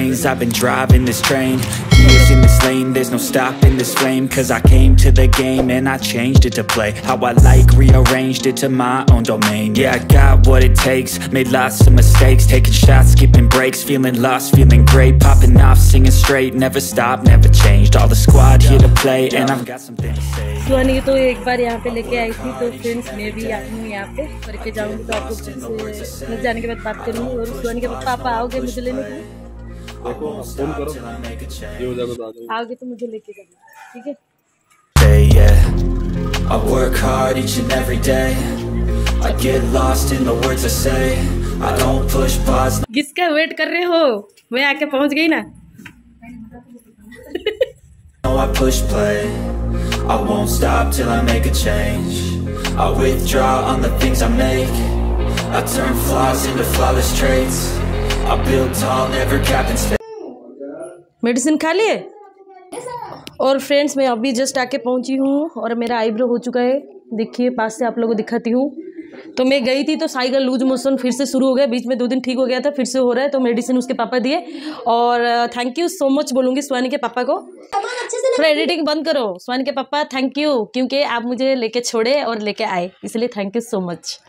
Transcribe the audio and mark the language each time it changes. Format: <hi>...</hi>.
<en>I've been driving this train, years in this lane, there's no stopping this flame, cause I came to the game and I changed it to play, how I like, rearranged it to my own domain, yeah I got what it takes, made lots of mistakes, taking shots, skipping breaks, feeling lost, feeling great, popping off, singing straight, never stopped, never changed, all the squad here to play, and I've got something to say.</en> <hi>सुहानी तो एक बार यहाँ पे लेके आई थी, तो friends मैं भी आती हूँ यहाँ पे करके जाऊँगी, तो आपको फिर से जाने के बाद बात करूँगी। और सुहानी के बाद पापा आओगे मुझे लेने के लिए, आओगे तो मुझे लेके जाओगे। ठीक है,</hi> <en>I work hard each and every day. I get lost in the words I say. I don't push pause.</en> <hi>किसका वेट कर रहे हो, मैं आके पहुंच गई ना।</hi> <en>I push play. I won't stop till I make a change. I withdraw on the things I make. I turn flaws into flawless traits. I build tall, never cap in space.</en> <hi>Medicine kha liye? और friends, मैं अभी just आके पहुंची हूँ और मेरा eyebrow हो चुका है, देखिए पास से आप लोगों को दिखाती हूँ। तो मैं गई थी तो साई का लूज मोशन फिर से शुरू हो गया, बीच में दो दिन ठीक हो गया था, फिर से हो रहा है, तो मेडिसिन उसके पापा दिए। और थैंक यू सो मच बोलूँगी सुहानी के पापा को, थोड़ा एडिटिंग बंद करो सुहानी के पापा, थैंक यू, क्योंकि आप मुझे लेके छोड़े और लेके आए, इसलिए थैंक यू सो मच।</hi>